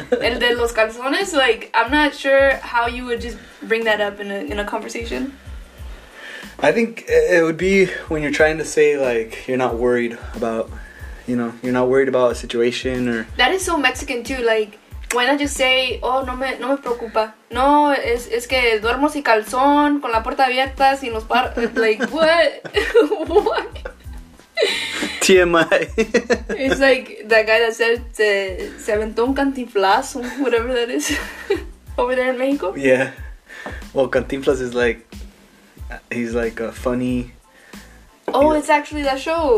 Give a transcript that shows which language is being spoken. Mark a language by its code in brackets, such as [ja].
[es] El de los calzones, [en] like, I'm not sure how you would just bring that up in a conversation. I think it would be when you're trying to say, like, you're not worried about, you know, you're not worried about a situation or... That is so Mexican, too. Like, why not just say, oh, [es] no me preocupa. No, es que duermo sin calzón, con la puerta abierta, sin los par... [en] Like, what? What? TMI. It's like that guy that said [es] se aventó un cantinflas, [en] whatever that is, over there in Mexico. Yeah. Well, cantinflas is like, he's like a funny. Oh, it's actually that show.